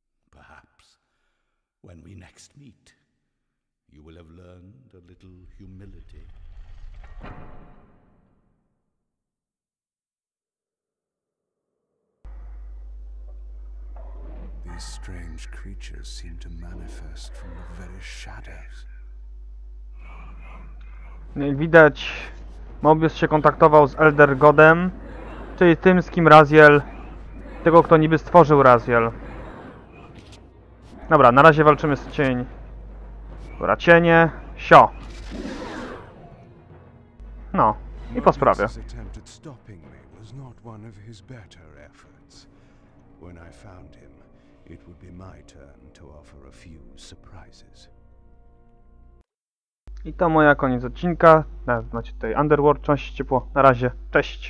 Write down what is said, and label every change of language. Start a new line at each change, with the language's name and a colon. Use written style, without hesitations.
English: Perhaps, when we next meet, you will have learned a little humility. These strange creatures seem to manifest from the very shadows.
Polish: Jak widać, Mobius się kontaktował z Elder Godem, czyli tym, z kim Raziel, tego, kto niby stworzył Raziel. Dobra, na razie walczymy z cień. Dobra, cienie, sio. No, i po sprawie.
English: Mobius attempted stopping me was not one of his better efforts. When I found him, it would be my turn to offer a few surprises.
Polish: I to moja koniec odcinka, znaczy tej Underworld, trzymajcie się ciepło, na razie, cześć!